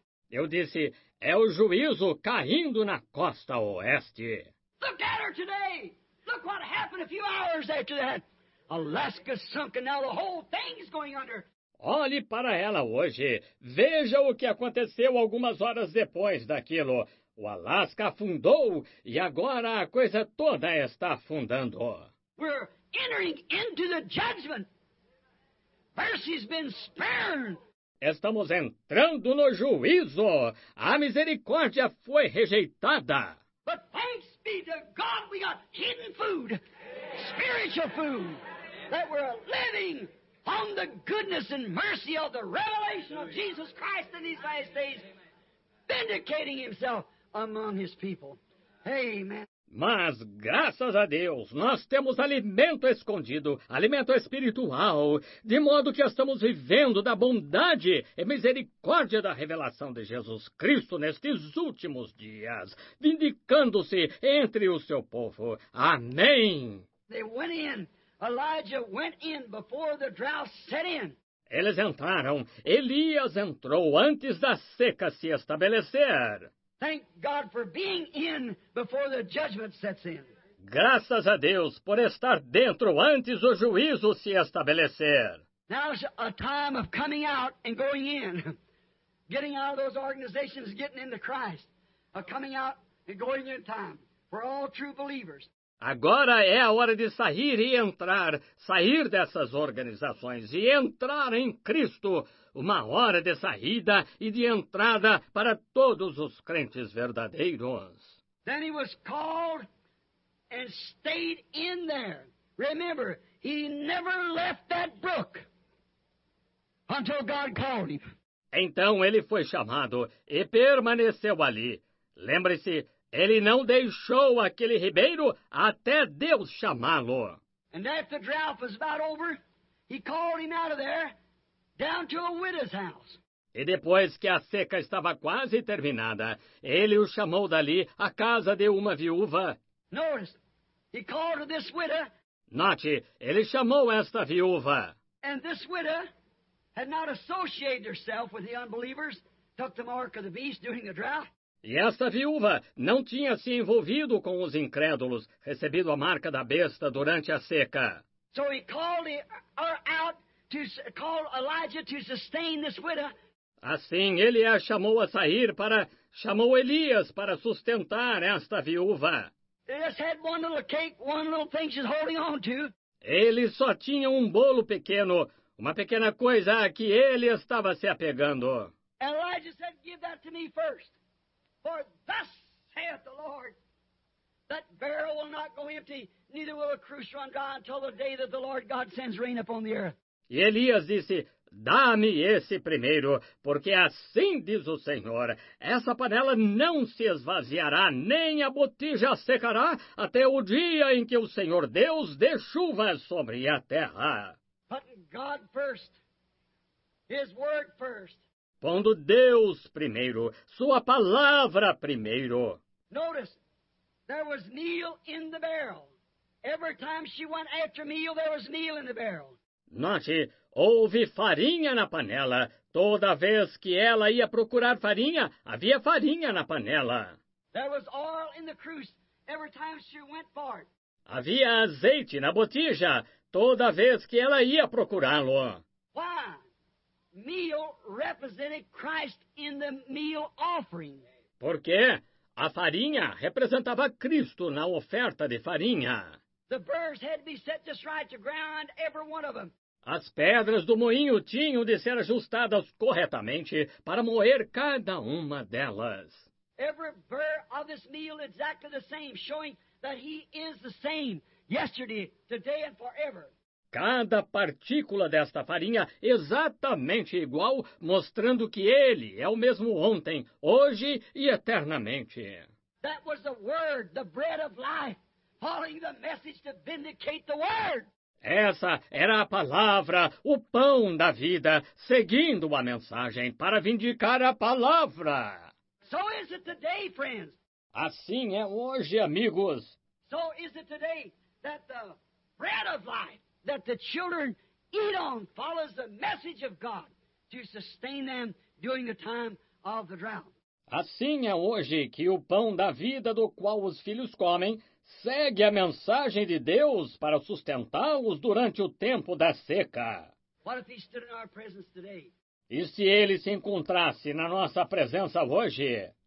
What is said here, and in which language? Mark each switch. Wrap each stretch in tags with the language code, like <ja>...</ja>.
<pt>Eu disse, é o juízo caindo na costa oeste.</pt> <en>Look at her today. Look what happened a few hours after that. Alaska sunk and now the whole thing's going under.</en> <pt>Olhe para ela hoje. Veja o que aconteceu algumas horas depois daquilo. O Alaska afundou e agora a coisa toda está afundando.</pt> <en>We're entering into the judgment. Mercy's been spared.</en> <pt>Estamos entrando no juízo. A misericórdia foi rejeitada.</pt> <en>But thanks be to God, we got hidden food, spiritual food, that we're living on the goodness and mercy of the revelation of Jesus Christ in these last days, vindicating himself among his people. Amen.</en> <pt>Mas, graças a Deus, nós temos alimento escondido, alimento espiritual, de modo que estamos vivendo da bondade e misericórdia da revelação de Jesus Cristo nestes últimos dias, vindicando-se entre o seu povo. Amém!</pt> <en>They went in. Elijah went in before the drought set in.</en> <pt>Eles entraram. Elias entrou antes da seca se estabelecer.</pt> <en>Thank God for being in before the judgment sets in.</en> <pt>Graças a Deus por estar dentro antes o juízo se estabelecer.</pt> <en>Now's a time of coming out and going in. Getting out of those organizations, getting into Christ. Of coming out and going in time for all true believers.</en> <pt>Agora é a hora de sair e entrar, sair dessas organizações e entrar em Cristo. Uma hora de saída e de entrada para todos os crentes verdadeiros.</pt> <en>Then he was called and stayed in there. Remember, he never left that brook until God called him.</en> <pt>Então ele foi chamado e permaneceu ali. Lembre-se, ele não deixou aquele ribeiro até Deus chamá-lo.</pt> <en>And after the drought was about over, he called him out of there. Down to a widow's house.</en> <pt>E depois que a seca estava quase terminada, ele o chamou dali à casa de uma viúva.</pt> <en>Notice, he called this widow.</en> <pt>Note, ele chamou esta viúva.</pt> <en>And this widow had not associated herself with the unbelievers, took the mark of the beast during the drought.</en> <pt>E esta viúva não tinha se envolvido com os incrédulos, recebido a marca da besta durante a seca.</pt> <en>So he called her out. To call Elijah to sustain this widow.</en> <pt>Assim, ele a chamou a sair para... Chamou Elias para sustentar esta viúva.</pt> <en>Elias had one little cake, one little thing she's holding on to.</en> <pt>Ele só tinha um bolo pequeno, uma pequena coisa a que ele estava se apegando.</pt> <en>Elijah said, give that to me first. For thus saith the Lord, that barrel will not go empty, neither will a cruse run dry until the day that the Lord God sends rain upon the earth.</en> <pt>E Elias disse, dá-me esse primeiro, porque assim diz o Senhor, essa panela não se esvaziará, nem a botija secará, até o dia em que o Senhor Deus dê chuva sobre a terra.</pt> <en>God first. His word first.</en> <pt>Pondo Deus primeiro, sua palavra primeiro.</pt> <en>Notice, there was meal in the barrel. Every time she went after meal, there was meal in the barrel.</en> <pt>Note, houve farinha na panela. Toda vez que ela ia procurar farinha, havia farinha na panela.</pt> <en>There was oil in the cruse every time she went for it.</en> <pt>Havia azeite na botija toda vez que ela ia procurá-lo.</pt> <en>Why? Meal represented Christ in the meal offering.</en> <pt>Por quê? A farinha representava Cristo na oferta de farinha.</pt> <en>The burrs had to be set just right to grind every one of them.</en> <pt>As pedras do moinho tinham de ser ajustadas corretamente para moer cada uma delas.</pt> <en>Every burr of this meal exactly the same, showing that he is the same yesterday, today and forever.</en> <pt>Cada partícula desta farinha exatamente igual, mostrando que ele é o mesmo ontem, hoje e eternamente.</pt> <en>That was the word, the bread of life. Following the message to vindicate the word.</en> <pt>Essa era a palavra, o pão da vida, seguindo a mensagem para vindicar a palavra.</pt> <en>So is it today, friends.</en> <pt>Assim é hoje, amigos.</pt> <en>So is it today that the bread of life that the children eat on follows the message of God to sustain them during the time of the drought.</en> <pt>Assim é hoje que o pão da vida do qual os filhos comem segue a mensagem de Deus para sustentá-los durante o tempo da seca.</pt> <en>What if he stood in our presence today?</en> <pt>E se ele se encontrasse na nossa presença hoje?</pt>